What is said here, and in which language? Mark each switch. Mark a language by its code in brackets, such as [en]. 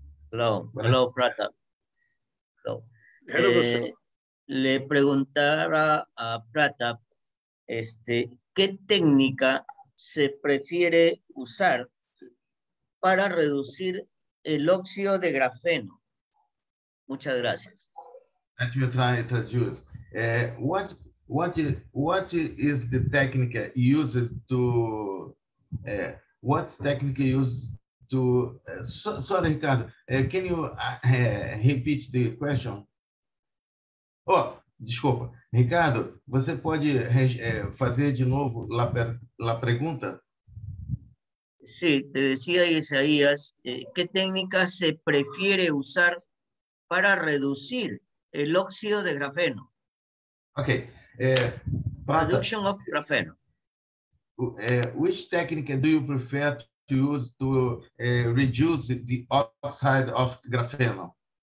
[en] Hello, Prata. Hello. [es] Le preguntara a Prata, ¿qué técnica se prefiere usar para reducir el óxido de grafeno? Muchas gracias. [en] Let me try to introduce. What is the technique used to what's technique used to sorry Ricardo, can you repeat the question? Oh, [pt] Desculpa. Ricardo, você pode fazer de novo a pergunta? [es] Sí, te decía Isaías, ¿qué técnica se prefiere usar para reducir el óxido de grafeno? [en] Ok. Production of grafeno. Which technique do you prefer to use to reduce the oxide of grafeno?